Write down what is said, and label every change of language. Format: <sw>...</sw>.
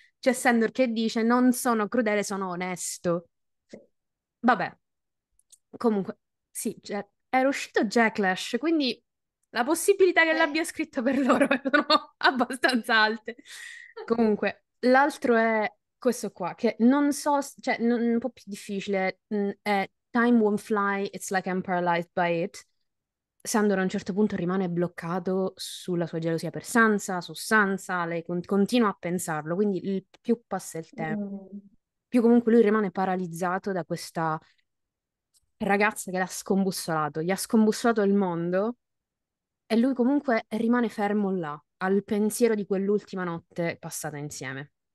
<it>C'è Sandor che dice: non sono crudele, sono onesto. Vabbè. Comunque, sì, era uscito Jacklash, quindi la possibilità che l'abbia scritto per loro sono abbastanza alte. Comunque, l'altro è questo qua, che non so, cioè, un po' più difficile, è.</it> <en>Time won't fly, it's like I'm paralyzed by it.</en> <it>Sandor a un certo punto rimane bloccato sulla sua gelosia per Sansa, su Sansa, lei continua a pensarlo, quindi il più passa il tempo, più comunque lui rimane paralizzato da questa ragazza che l'ha scombussolato, gli ha scombussolato il mondo, e lui comunque rimane fermo là, al pensiero di quell'ultima notte passata insieme.</it>